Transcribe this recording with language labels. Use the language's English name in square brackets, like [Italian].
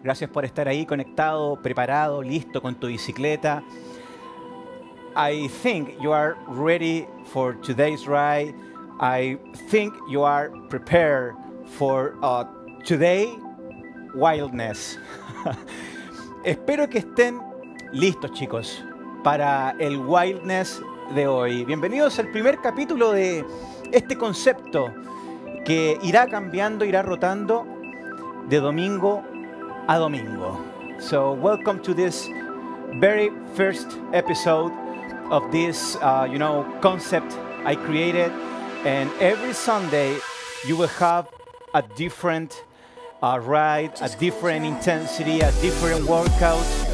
[Spanish] Gracias por estar ahí conectado, preparado, listo con tu bicicleta. [English] I think you are ready for today's ride. I think you are prepared for today's wildness. [Spanish] Espero que estén listos, chicos, para el wildness de hoy. Bienvenidos al primer capítulo de este concepto que irá cambiando, irá rotando de domingo a domingo. [English] So, welcome to this very first episode of this, concept I created. And every Sunday, you will have a different ride, a different intensity, a different workout.